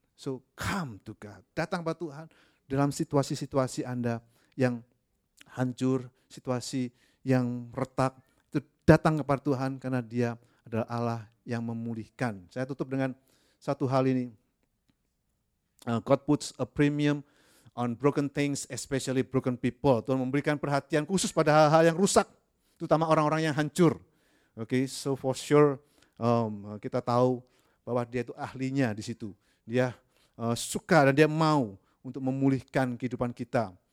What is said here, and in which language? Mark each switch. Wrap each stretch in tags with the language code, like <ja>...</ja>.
<en>So come to God,</en> <id>datang kepada Tuhan dalam situasi-situasi Anda yang hancur, situasi yang retak, itu datang kepada Tuhan karena Dia adalah Allah yang memulihkan. Saya tutup dengan satu hal ini.</id> <en>God puts a premium on broken things, especially broken people.</en> <id>Tuhan memberikan perhatian khusus pada hal-hal yang rusak, terutama orang-orang yang hancur.</id> <en>Okay, so for sure</en> <id>kita tahu bahwa Dia itu ahlinya di situ. Dia suka dan Dia mau untuk memulihkan kehidupan kita.</id>